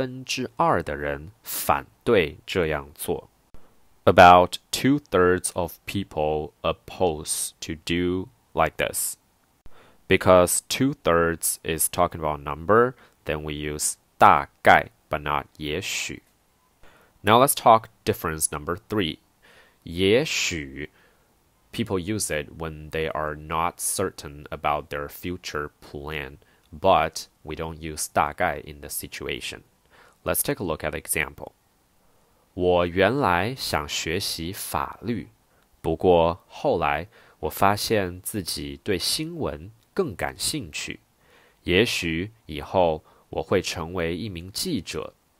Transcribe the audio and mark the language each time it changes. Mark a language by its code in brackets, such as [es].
[zh] 大概有三分之二的人反对这样做. [en] About 2/3 of people oppose to do like this. Because 2/3 is talking about number, then we use 大概 but not 也许. Now let's talk difference number three. [zh] 也许, [en] people use it when they are not certain about their future plan, but we don't use 大概 in this situation. Let's take a look at the example. [zh] 我原来想学习法律，不过后来我发现自己对新闻更感兴趣。也许以后我会成为一名记者。